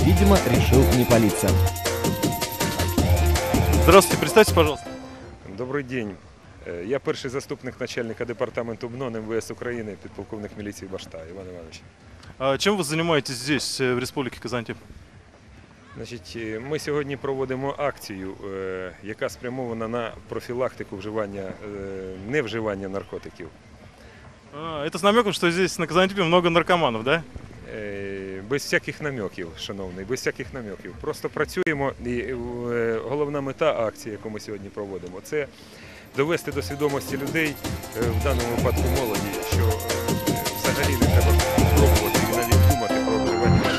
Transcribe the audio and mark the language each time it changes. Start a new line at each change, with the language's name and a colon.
Russian: Видимо, решил не палиться. Здравствуйте, представьте, пожалуйста. Добрый день. Я первый заступник начальника департамента МНОН МВС Украины, подполковник милиции Башта Иван Иванович. А чем вы занимаетесь здесь, в республике Казантип?
Ukrainian: Значить, ми сьогодні проводимо акцію, яка спрямована на профілактику вживання невживання наркотиків.
Russian: Это с намеком, что здесь на Казантипе много наркоманов, да?
Ukrainian: Без всяких намеків, шановний, без всяких намеків. Просто працюємо, і головна мета акції, яку ми сьогодні проводимо, це довести до свідомості людей, в даному випадку молоді, що взагалі не треба пробувати і навіть думати про вживання.